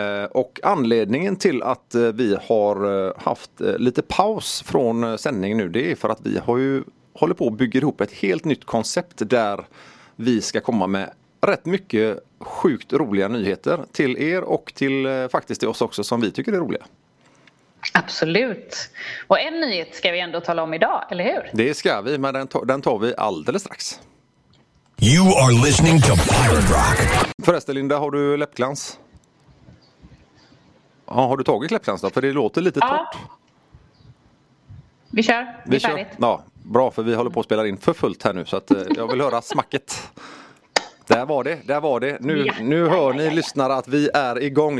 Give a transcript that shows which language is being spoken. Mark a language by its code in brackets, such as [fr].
[sv] Och anledningen till att vi har haft lite paus från sändningen nu, det är för att vi har ju håller på att bygga ihop ett helt nytt koncept där vi ska komma med rätt mycket sjukt roliga nyheter till er och till faktiskt till oss också som vi tycker är roliga. Absolut. Och en nyhet ska vi ändå tala om idag, eller hur? Det ska vi, men den tar vi alldeles strax. [en] You are listening to Pirate Rock. [sv] Förresten Linda, har du läppglans? Ja, har du tagit läppglans då? För det låter lite torrt. Vi kör. Vi kör. Färdigt. Ja, bra, för vi håller på att spela in för fullt här nu så att jag vill höra smacket. Där var det. Nu hör ni lyssnare att vi är igång.